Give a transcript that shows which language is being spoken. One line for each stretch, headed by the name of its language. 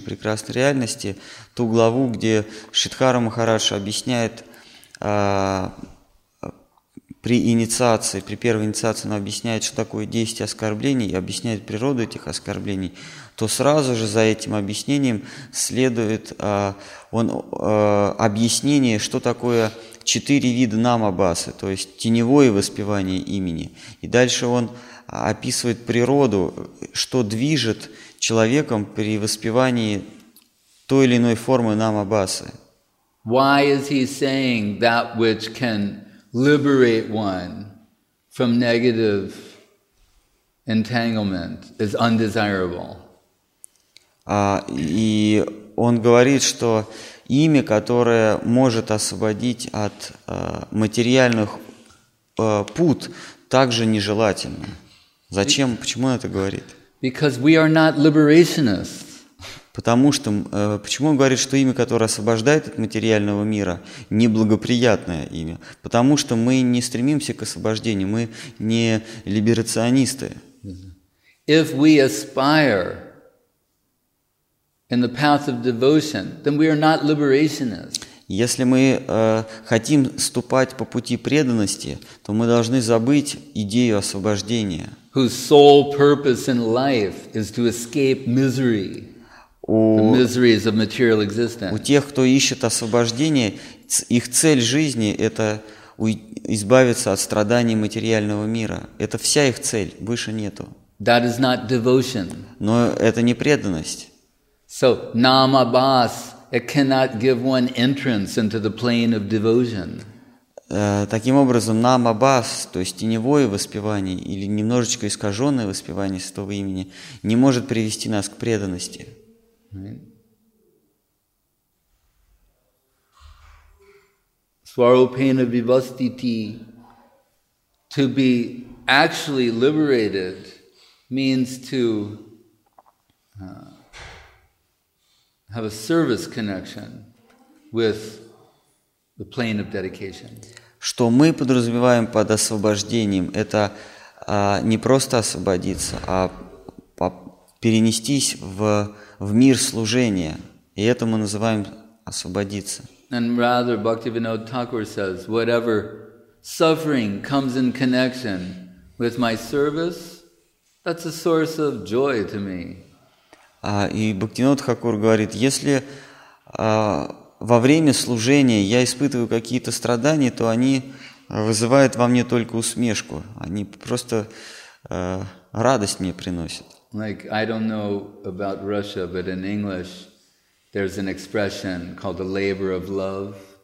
Russian: Прекрасной реальности», ту главу, где Шридхара Махарадж объясняет при инициации, при первой инициации, он объясняет, что такое 10 оскорблений, и объясняет природу этих оскорблений, то сразу же за этим объяснением следует объяснение, что такое 4 вида намабасы, то есть теневое воспевание имени. И дальше он описывает природу, что движет человеком при воспевании той или иной формы намабасы.
English: Why is he saying that which can liberate one from negative entanglement is undesirable?
Russian: И он говорит, что имя, которое может освободить от материальных пут, также нежелательно. Зачем? Почему он это говорит?
English: Because we are not liberationists.
Russian: Потому что, почему он говорит, что имя, которое освобождает от материального мира, неблагоприятное имя? Потому что мы не стремимся к освобождению, мы не либерационисты.
English: If we aspire in the path of devotion, then we are not liberationists.
Russian: Если мы хотим ступать по пути преданности, то мы должны забыть идею освобождения.
English: Whose sole purpose in life is to escape misery, the miseries of material existence.
Russian: У тех, кто ищет освобождение, их цель жизни – это избавиться от страданий материального мира. Это вся их цель, выше нету.
English: That is not devotion.
Russian: Но это не преданность.
English: So namabhas, it cannot give one entrance into the plane of devotion.
Russian: Таким образом, намабас, то есть теневое воспевание или немножечко искаженное воспевание Святого Имени, не может привести нас к преданности.
Sanskrit: Swarupena vivastiti,
English: to be actually liberated, means to have a service connection with the plane of dedication.
Russian: Что мы подразумеваем под освобождением, это не просто освободиться, а перенестись в мир служения. И это мы называем освободиться.
English: And rather, Bhaktivinoda Thakur says, whatever suffering comes in connection with my service, that's a source of joy to me.
Russian: И Бхактивинода Тхакур говорит, если во время служения я испытываю какие-то страдания, то они вызывают во мне только усмешку. Они просто радость мне приносят.
English: Like, I don't know about Russia, but in English there's an expression called the labor of love.